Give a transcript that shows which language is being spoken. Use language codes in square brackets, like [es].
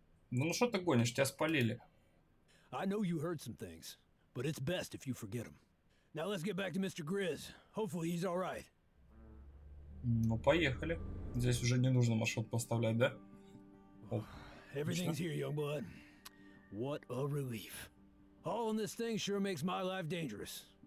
[ru] Ну что ты гонишь, тебя спалили. [en] I know you heard some things, but it's best if you forget them. Now let's get back to Mr. Grizz. Hopefully he's all right. [ru] Ну, поехали. Здесь уже не нужно маршрут поставлять, да? [en] Everything's here, young bud. What a relief. All in this thing sure makes my life dangerous.